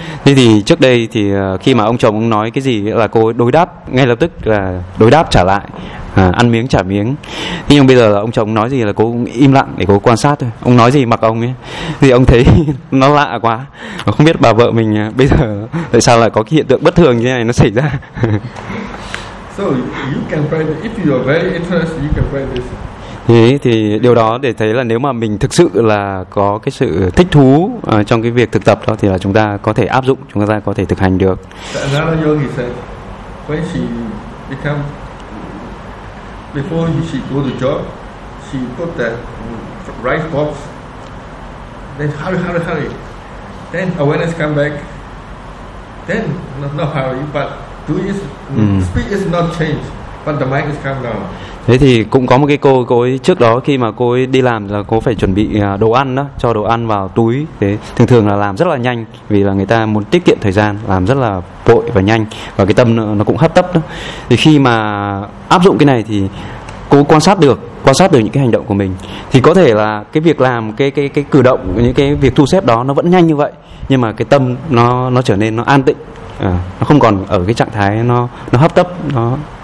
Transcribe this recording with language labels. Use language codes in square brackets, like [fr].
[vi] Thế thì trước đây thì khi mà ông chồng nói cái gì là cô ấy đối đáp ngay lập tức, là đối đáp trả lại, ăn miếng trả miếng. Thế nhưng bây giờ là ông chồng nói gì là cô cũng im lặng để cô quan sát thôi. Ông nói gì mặc ông ấy. Thì ông thấy nó lạ quá. Không biết bà vợ mình bây giờ tại sao lại có cái hiện tượng bất thường như này nó xảy ra. [en] So you can find if you are very interested you can find this. [vi] Thì điều đó để thấy là nếu mà mình thực sự là có cái sự thích thú trong cái việc thực tập đó, thì là chúng ta có thể áp dụng, chúng ta có thể thực hành được. [en] Another yogi said when she become before she go to job she put that rice box then hurry then awareness come back then not hurry but do is speed is not changed. But the mic is calm down. [vi] Thế thì cũng có một cái cô ấy trước đó khi mà cô ấy đi làm là cô phải chuẩn bị đồ ăn đó, cho đồ ăn vào túi. Thế thường thường là làm rất là nhanh vì là người ta muốn tiết kiệm thời gian, làm rất là vội và nhanh và cái tâm nó cũng hấp tấp đó. Thì khi mà áp dụng cái này thì cô quan sát được, quan sát được những cái hành động của mình, thì có thể là cái việc làm cái cử động, những cái việc thu xếp đó nó vẫn nhanh như vậy, nhưng mà cái tâm nó trở nên nó an tịnh, nó không còn ở cái trạng thái nó hấp tấp, nó